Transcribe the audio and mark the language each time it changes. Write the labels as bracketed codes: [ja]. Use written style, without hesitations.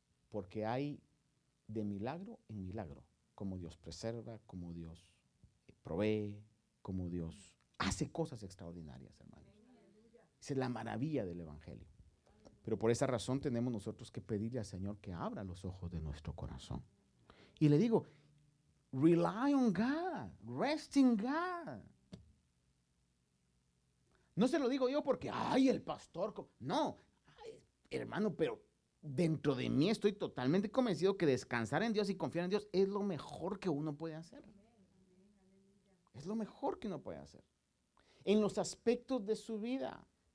[es] Porque hay de milagro en milagro. Cómo Dios preserva, cómo Dios provee, cómo Dios hace cosas extraordinarias, hermanos. Esa es la maravilla del Evangelio. Pero por esa razón tenemos nosotros que pedirle al Señor que abra los ojos de nuestro corazón. Y le digo, [en] rely on God, rest in God. [es] No se lo digo yo porque, ay, el pastor. No, ay, hermano, pero dentro de mí estoy totalmente convencido que descansar en Dios y confiar en Dios es lo mejor que uno puede hacer. Es lo mejor que uno puede hacer. En los aspectos de su vida.